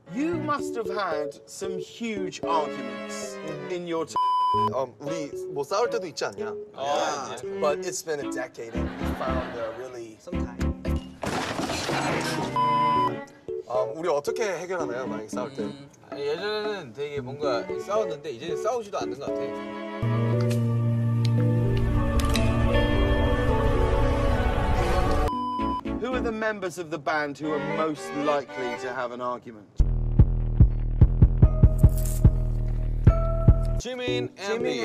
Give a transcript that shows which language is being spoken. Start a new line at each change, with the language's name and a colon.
English: You must have had some huge arguments in your time.
Korean: 우리 뭐 싸울 때도 있지 않냐?
English: But it's been a decade and we found a really... Sometime.
Korean: 우리 어떻게 해결하나요, 만약에 싸울 때? 예전에는 되게 뭔가 싸웠는데 이제는 싸우지도 않는 것 같아.
English: 그 members of the band who are most likely to have an argument.
Korean: 지민 앤비.